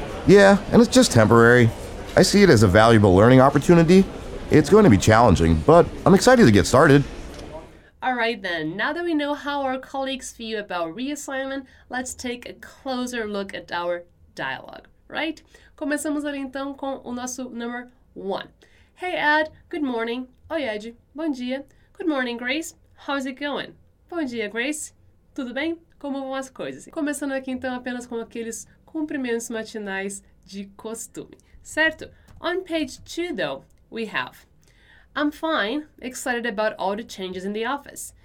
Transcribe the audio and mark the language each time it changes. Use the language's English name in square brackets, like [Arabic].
[English] Yeah, and it's just temporary. I see it as a valuable learning opportunity. It's going to be challenging, but I'm excited to get started. All right then, now that we know how our colleagues feel about reassignment, let's take a closer look at our dialogue, right? [Portuguese] Começamos ali então com o nosso number one. [English] Hey Ed, good morning. [Portuguese] Oi Ed, bom dia. [English] Good morning Grace, how's it going? [Portuguese] Bom dia, Grace. Tudo bem? Como vão as coisas? Começando aqui, então, apenas com aqueles cumprimentos matinais de costume, certo? [English] On page 2, though, we have I'm fine, excited about all the changes in the office.